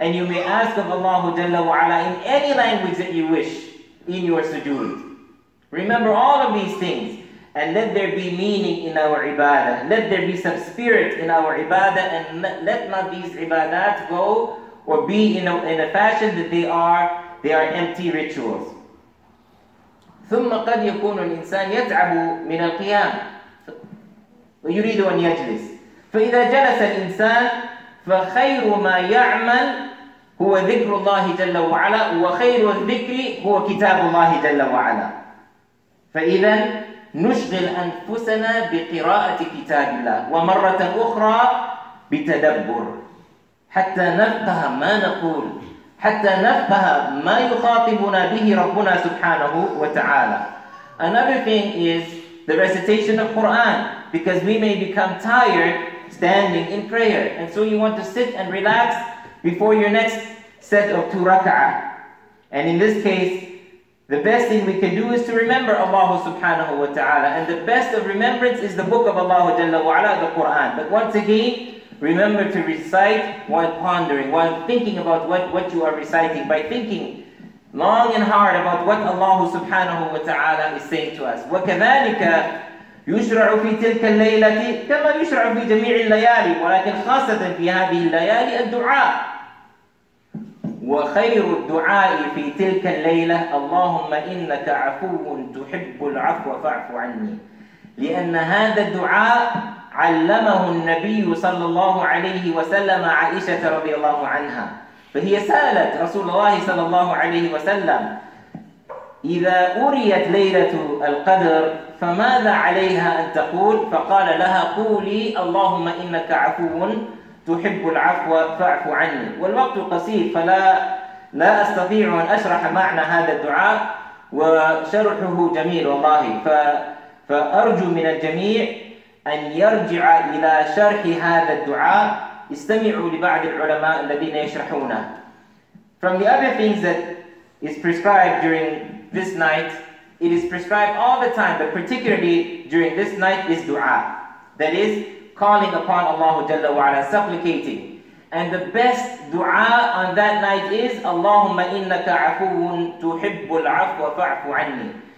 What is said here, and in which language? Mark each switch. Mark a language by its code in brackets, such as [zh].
[en] And you may ask of Allah Jalla wa Ala in any language that you wish in your sujood. Remember all of these things. And let there be meaning in our ibadah. Let there be some spirit in our ibadah. And let not these ibadat go or be in a fashion that they are empty rituals. [ar] ثم قد يكون الإنسان يتعب من القيام ويريد أن يجلس. فإذا جلس الإنسان فخير ما يعمل هو ذكر الله جل وعلا وخير الذكر هو كتاب الله جل وعلا. فإذا نشغل أنفسنا بقراءة كتاب الله ومرة أخرى بتدبر حتى نفقه ما نقول حتى نفقه ما يخاطبنا به ربنا سبحانه وتعالى. [en] Another thing is the recitation of Quran, because we may become tired standing in prayer, and so you want to sit and relax before your next set of two raka'ah. And in this case, the best thing we can do is to remember Allah subhanahu wa ta'ala. And the best of remembrance is the book of Allah jalla wa ala, the Quran. But once again, remember to recite while pondering, while thinking about what you are reciting, by thinking long and hard about what Allah subhanahu wa ta'ala is saying to us. [ar] وَكَذَلِكَ يُشْرَعُ فِي تِلْكَ اللَّيْلَةِ كَمَا يُشْرَعُ فِي جَمِيعِ اللَّيَالِ وَلَكِنْ خَاصَةً فِي هَذِهِ اللَّيَالِ الدُّعَاءِ وخير الدعاء في تلك الليلة اللهم إنك عفو تحب العفو فاعف عني لأن هذا الدعاء علمه النبي صلى الله عليه وسلم عائشة رضي الله عنها فهي سألت رسول الله صلى الله عليه وسلم إذا أريت ليلة القدر فماذا عليها أن تقول فقال لها قولي اللهم إنك عفو تحب العفو فاعف عني والوقت قصير فلا أستطيع أن أشرح معنى هذا الدعاء وشرحه جميل والله فأرجو من الجميع أن يرجع إلى شرح هذا الدعاء استمعوا لبعض العلماء الذين يشرحونه. [en] From the other things that is prescribed during this night, it is prescribed all the time, but particularly during this night is dua. That is calling upon Allah Jalla wa Ala, supplicating. And the best dua on that night is [ar] Allahumma innaka afuun tuhibbul afwa fa'fu anni.